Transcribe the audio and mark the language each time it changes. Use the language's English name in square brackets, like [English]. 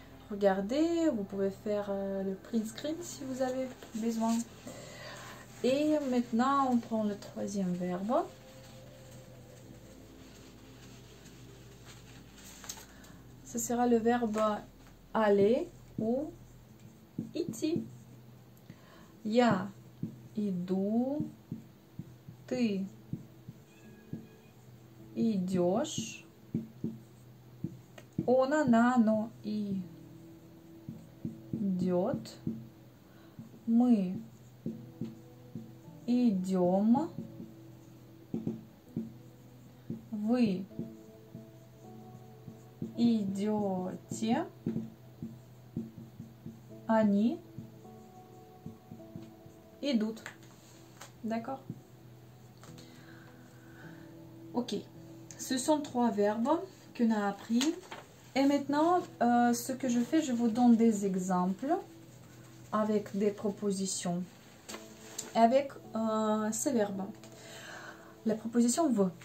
[French] Regardez, vous pouvez faire le print screen si vous avez besoin. Et maintenant, on prend le troisième verbe. Ce sera le verbe aller ou идти. [Russian] Я иду, ты идешь, он, она, оно идет, мы идем, вы идете, они идут. [French] D'accord? Ok. Ce sont trois verbes qu'on a appris. Et maintenant, ce que je fais, je vous donne des exemples avec des propositions. Et avec ces verbes. La proposition V.